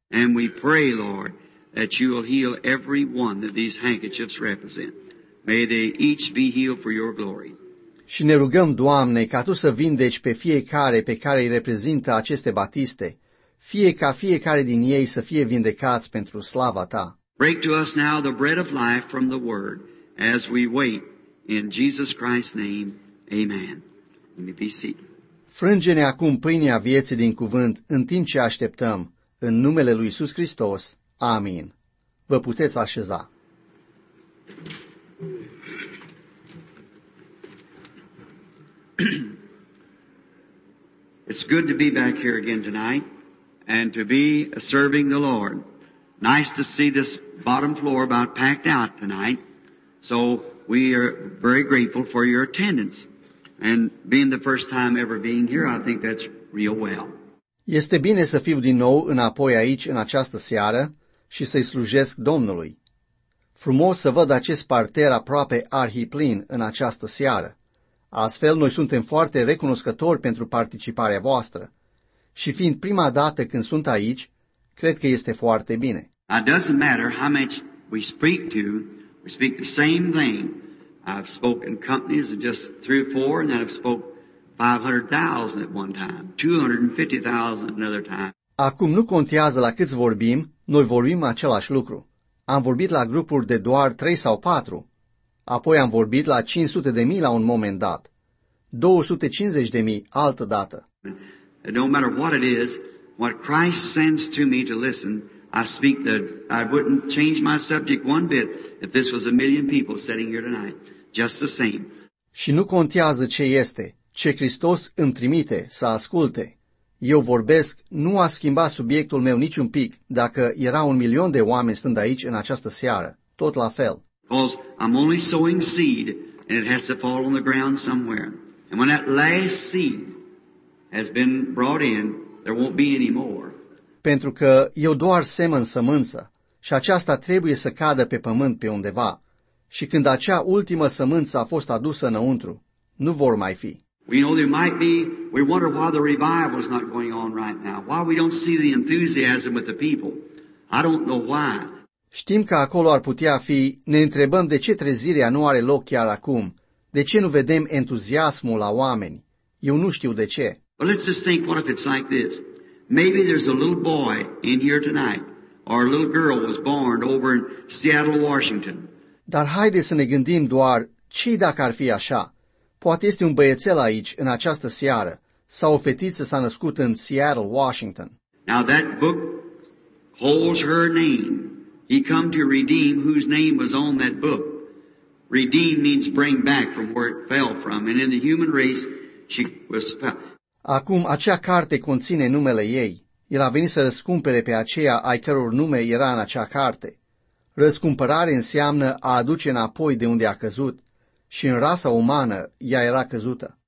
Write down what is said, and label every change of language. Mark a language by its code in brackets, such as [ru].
[en] And we pray, Lord, that you will heal every one that these handkerchiefs represent. May they each be healed for your glory. [ro] Și ne rugăm, Doamne, ca Tu să vindeci pe fiecare pe care îi reprezintă aceste batiste, fie ca fiecare din ei să fie vindecați pentru slava Ta. [en] Break to us now the bread of life from the Word, as we wait in Jesus Christ's name. Amen. Let me be seated. [ro] Frânge-ne acum pâinea vieții din cuvânt în timp ce așteptăm, în numele lui Iisus Hristos. Amin. Vă puteți așeza. [en] It's good to be back here again tonight and to be serving the Lord. Nice to see this bottom floor about packed out tonight. So we are very grateful for your attendance. And being the first time ever being here, I think that's real well. [ro] Este bine să fiu din nou înapoi aici în această seară și să-i slujesc Domnului. Frumos să văd acest parter aproape arhiplin în această seară. Astfel, noi suntem foarte recunoscători pentru participarea voastră și fiind prima dată când sunt aici, cred că este foarte bine. [en] It doesn't matter how much we speak the same thing. I've spoken companies of just 3 or 4 and then I've spoken 500,000 at one time, 250,000 another time. [ro] Acum nu contează la câți vorbim, noi vorbim același lucru. Am vorbit la grupuri de doar 3 sau 4. Apoi am vorbit la 500.000 la un moment dat, 250.000 altă dată. [en] No matter what it is, what Christ sends to me to listen, I wouldn't change my subject one bit if this was a million people sitting here tonight, just the same. [ro] Și nu contează ce este, ce Hristos îmi trimite să asculte. Eu vorbesc, nu a schimbat subiectul meu niciun pic, dacă era un milion de oameni stând aici în această seară, tot la fel. [en] Because I'm only sowing seed, and it has to fall on the ground somewhere. And when that last seed has been brought in, there won't be any more. [ro] Pentru că eu doar semăn sămânță, și aceasta trebuie să cadă pe pământ pe undeva. Și când acea ultimă sămânță a fost adusă înăuntru, nu vor mai fi. [en] We know there might be, we wonder why the revival is not going on right now. Why we don't see the enthusiasm with the people. I don't know why. [ro] Știm că acolo ar putea fi, ne întrebăm de ce trezirea nu are loc chiar acum, de ce nu vedem entuziasmul la oameni. Eu nu știu de ce. [en] But let's just think, what if it's like this? Maybe there's a little boy in here tonight, or a little girl was born over in Seattle, Washington. [ro] Dar haide să ne gândim doar ce dacă ar fi așa. Poate este un băiețel aici în această seară, sau o fetiță s-a născut în Seattle, Washington. [en] Now that book holds her name. He come to redeem whose name was on that book. Redeem means bring back from where it fell from, and in the human race she was found. [ro] Acum acea carte conține numele ei. El a venit să răscumpere pe aceea ai căror nume era în acea carte. Răscumpărare înseamnă a aduce înapoi de unde a căzut, și în rasa umană ea era căzută.